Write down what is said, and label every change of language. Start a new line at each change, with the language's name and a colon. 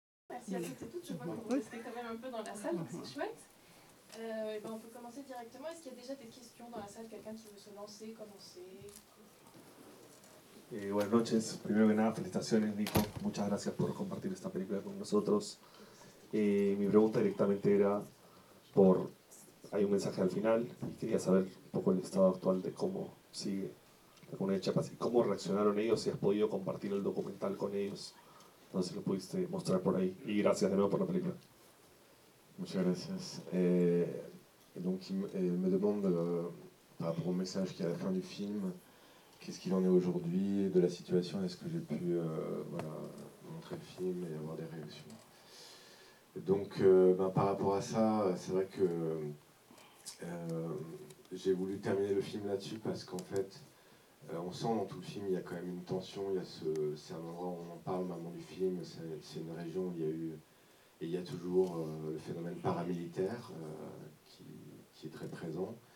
French: assis à côté de toutes. Je vois qu'on est quand même un peu dans la salle, donc c'est chouette. Et ben on peut commencer directement. Est-ce qu'il y a déjà des questions dans la salle? Quelqu'un qui veut se lancer, commencer?
Spanish: Buenas noches, primero que nada, felicitaciones, Nico. Muchas gracias por compartir esta película con nosotros. Mi pregunta directamente era por... Hay un mensaje al final y quería saber un poco el estado actual de cómo sigue la Comunidad de Chiapas y cómo reaccionaron ellos, si has podido compartir el documental con ellos. No sé si lo pudiste mostrar por ahí. Y gracias de nuevo por la película. Muchas gracias.
French: Me demande par rapport au message qui est à la fin du film, qu'est-ce qu'il en est aujourd'hui de la situation, est-ce que j'ai pu montrer le film et avoir des réactions. Donc, par rapport à ça, c'est vrai que j'ai voulu terminer le film là-dessus parce qu'en fait, on sent dans tout le film, il y a quand même une tension, c'est un endroit où on en parle au moment du film, c'est une région où il y a eu, et il y a toujours le phénomène paramilitaire qui est très présent.